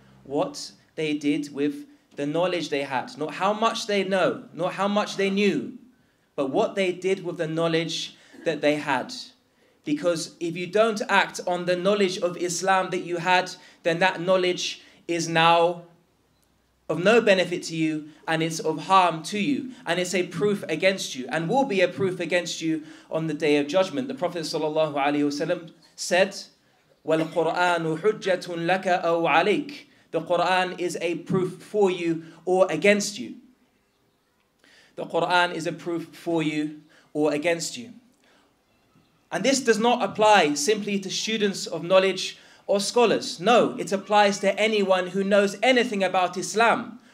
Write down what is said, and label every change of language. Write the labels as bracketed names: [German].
[English] What they did with the knowledge they had. Not how much they know, not how much they knew, but what they did with the knowledge that they had. Because if you don't act on the knowledge of Islam that you had, then that knowledge is now of no benefit to you, and it's of harm to you, and it's a proof against you, and will be a proof against you on the Day of Judgment. The Prophet ﷺ said, [Arabic] وَالْقُرْآنُ حُجَّةٌ لَكَ أَوْ عَلَيْكَ. [English] The Qur'an is a proof for you or against you. The Qur'an is a proof for you or against you. And this does not apply simply to students of knowledge or scholars. No, it applies to anyone who knows anything about Islam.